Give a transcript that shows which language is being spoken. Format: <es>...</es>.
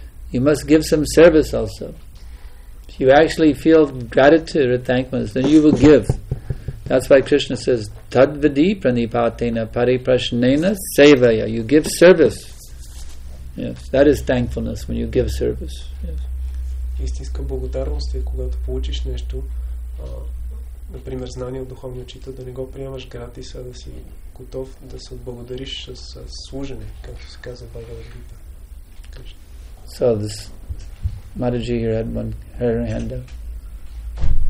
<en>You must give some service also. If you actually feel gratitude or thankfulness, then you will give. That's why Krishna says, Tadvidi pranipatena pariprashnena sevaya. You give service. Yes, that is thankfulness when you give service.</en> <bg>Истинска благодарност е когато получиш нещо, например знание от духовния учител, да не го приемаш gratis, а да си готов да се отблагодариш с служене, както се казва Бхагавад Гита.</bg> <en>So this Mataji here had one her hand up.</en>